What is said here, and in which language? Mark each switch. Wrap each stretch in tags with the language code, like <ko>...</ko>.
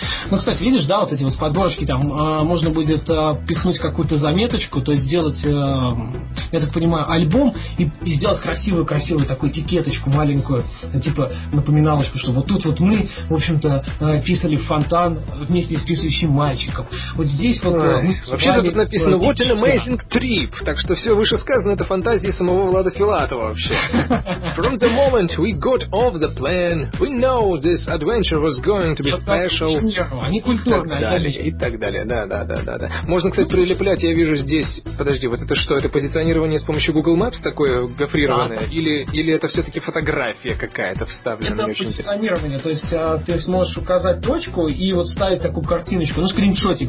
<ru>Ну, кстати, видишь, да, вот эти вот подборочки, там можно будет пихнуть какую-то заметочку, то есть сделать, я так понимаю, альбом и сделать красивую-красивую такую этикеточку маленькую, типа напоминалочку, что вот тут вот мы, в общем-то, писали фонтан вместе с писающим мальчиком. Вот здесь вот... Вообще-то тут написано</ru> <en>«What an amazing trip!»</en> <ru>Так что все вышесказано — это фантазии самого Влада Филатова вообще.</ru> <en>«From the moment we got off the plane, we know this adventure was going to be special».</en> <ru>Они культурные. И так далее. Да. Можно, кстати, прилеплять. Я вижу здесь... Подожди, вот это что? Это позиционирование с помощью Google Maps такое гофрированное? Так. Или это все-таки фотография какая-то вставленная? Это позиционирование. То есть ты сможешь указать точку и вот ставить такую картиночку. Ну, скриншотик.</ru>